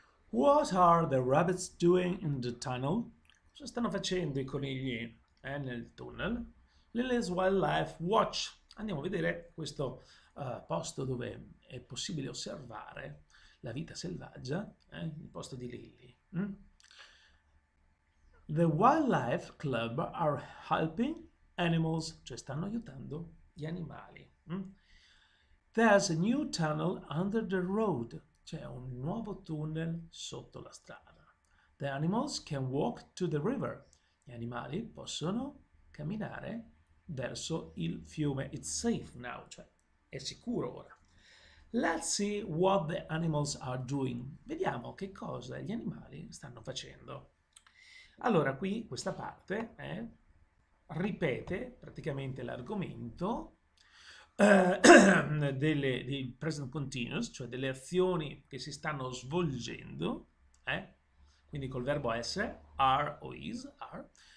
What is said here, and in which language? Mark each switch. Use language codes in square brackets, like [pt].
[en] What are the rabbits doing in the tunnel? [it] Cosa stanno facendo i conigli nel tunnel? Lily's Wildlife Watch. Andiamo a vedere questo posto dove è possibile osservare la vita selvaggia, il posto di Lily. [en] The Wildlife Club are helping animals, [it] cioè stanno aiutando gli animali. [en] There's a new tunnel under the road, [it] c'è un nuovo tunnel sotto la strada. [en] The animals can walk to the river, [it] gli animali possono camminare verso il fiume. [en] It's safe now, [it] cioè è sicuro ora. [en] Let's see what the animals are doing. [it] Vediamo che cosa gli animali stanno facendo. Allora, qui questa parte ripete praticamente l'argomento del present continuous, cioè delle azioni che si stanno svolgendo, quindi col verbo essere, are o is, are.